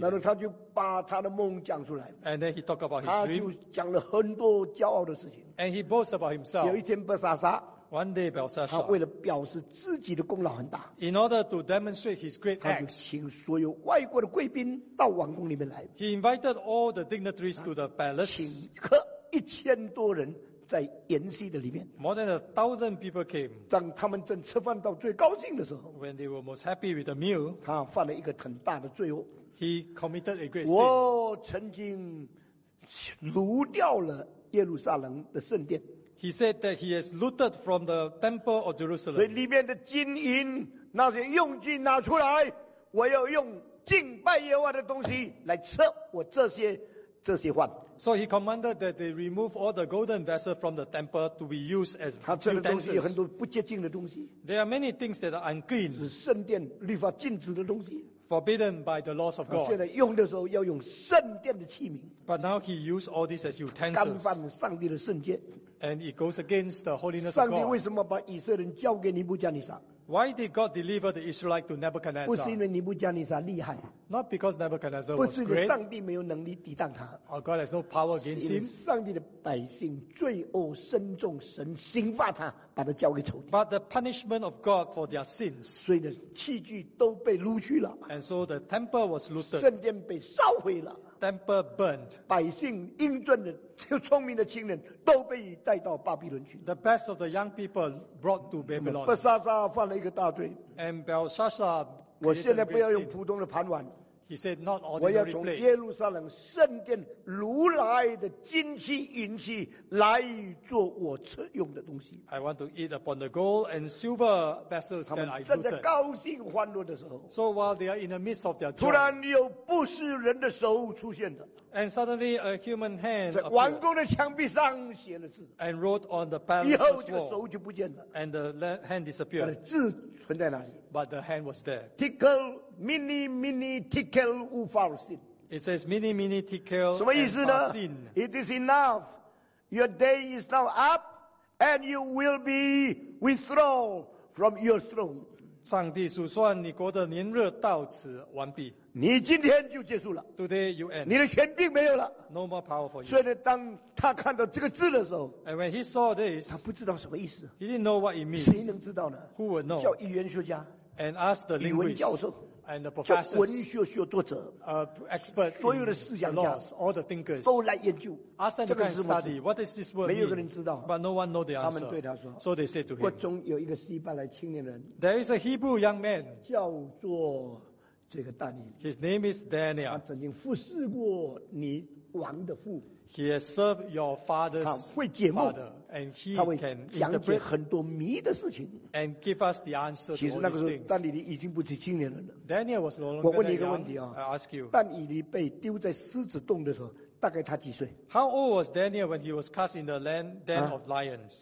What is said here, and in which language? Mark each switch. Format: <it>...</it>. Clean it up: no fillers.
<zh>然后他就把他的梦讲出来,</zh> <en>and then he talked about his dream.</en> <zh>他就讲了很多骄傲的事情,</zh> <en>and he boasts about himself.</en> <zh>有一天, Belshazzar,</zh> <en>one day, Belshazzar,</en> <zh>他为了表示自己的功劳很大,</zh> <en>in order to demonstrate his great acts,</en> <zh>他就请所有外国的贵宾到王宫里面来,</zh> <en>he invited all the dignitaries to the palace.</en> <zh>请客1000多人, 在筵席的里面,</zh> <en>more than 1,000 people came.</en> <zh>当他们正吃饭到最高兴的时候,</zh> <en>when they were most happy with the meal,</en> <zh>他犯了一个很大的罪恶,</zh> <en>he committed a great sin.</en> <zh>我曾经掳掉了耶路撒冷的圣殿。</zh> <en>He said that he has looted from the temple of Jerusalem.</en> <zh>所以里面的金银, 那些用金拿出来, 我要用敬拜耶和华的东西来吃我这些这些饭。</zh> <en>So he commanded that they remove all the golden vessels from the temple to be used as utensils.</en> <zh>他这个东西有很多不洁净的东西。</zh> <en>There are many things that are unclean.</en> <zh>是圣殿律法禁止的东西。</zh> <en>Forbidden by the laws of God.</en> <zh>现在用的时候要用圣殿的器皿。</zh> <en>But now he used all these as utensils.</en> <zh>干犯了上帝的圣洁。</zh> <en>And it goes against the holiness of God.</en> <zh>上帝为什么把以色列人交给尼布加尼撒？</zh> <en>Why did God deliver the Israelites to Nebuchadnezzar?</en> <zh>不是因为尼布加尼撒厉害。</zh> <en>Not because Nebuchadnezzar was great.</en> <zh>不是上帝没有能力抵挡他。</zh> <en>Or God has no power against him.</en> <zh>上帝的百姓罪恶深重，神刑罚他，把他交给仇敌。</zh> <en>But the punishment of God for their sins.</en> <zh>所以的器具都被掳去了。</zh> <en>And so the temple was looted.</en> <zh>圣殿被烧毁了。</zh> <en>Temple burned.</en> <zh>百姓英俊的、聪明的青年都被带到巴比伦去。</zh> <en>The best of the young people brought to Babylon.</en> <zh>巴沙沙犯了一个大罪。</zh> <en>And Belshazzar.</en> <zh>我现在不要用普通的盘碗。</zh> <en>He said, "Not ordinary plates."</en> <zh>我要从耶路撒冷圣殿掳来的金器、银器来做我吃用的东西。</zh> <en>I want to eat upon the gold and silver vessels that I looted.</en> <zh>正在高兴欢乐的时候</zh> <en>，So while they are in the midst of their joy,</en> <zh>突然有不是人的手出现的。</zh> <en>And suddenly a human hand</en> <zh>在王宫的墙壁上写了字</zh> <en>，and wrote on the palace wall.</en> <zh>以后这个手就不见了</zh> <en>，and the hand disappeared.</en> <zh>但字存在哪里</zh> <en>？But the hand was there. Tickle, mini, mini, tickle, ufarsin. It says mini, mini, tickle,</en> <zh>什么意思呢</zh> <en>？It is enough. Your day is now up, and you will be withdrawn from your throne.</en> <zh>上帝数算你国的年日到此完毕。你今天就结束了</zh> <en>Today you end.</en> <zh>你的权柄没有了</zh> <en>No more power for you.</en> <zh>所以当他看到这个字的时候</zh> <en>And when he saw this,</en> <zh>他不知道什么意思</zh> <en>He didn't know what it means.</en> <zh>谁能知道呢</zh> <en>Who would know?</en> <zh>叫语言学家</zh> <en>And ask the linguist</en> <zh>语文教授</zh> <en>And the professors</en> <zh>叫文学学作者</zh> <en>Expert</en> <zh>所有的思想家</zh> <en>All the thinkers</en> <zh>都来研究</zh> <en>Ask them to come and study. What does this word</en> <zh>没有个人知道</zh> <en>But no one know the answer.</en> <zh>他们对他说</zh> <en>So they said to him.</en> <zh>国中有一个希伯来青年人</zh> <en>There is a Hebrew young man</en> <zh>叫做这个大尼</zh> <en>His name is Daniel.</en> <zh>他曾经服侍过你王的父。</zh> <en>He has served your father's father, and he can interpret.</en> <zh>讲解很多谜的事情。</zh> <en>And give us the answer to all these things.</en> <zh>其实那个时候，但以理已经不是青年人了。</zh> <en>Daniel was no longer young.</en> <zh>我问你一个问题啊</zh> <en>，I ask you.</en> <zh>但以理被丢在狮子洞的时候，大概他几岁</zh> <en>？How old was Daniel when he was cast in the land den of lions?</en>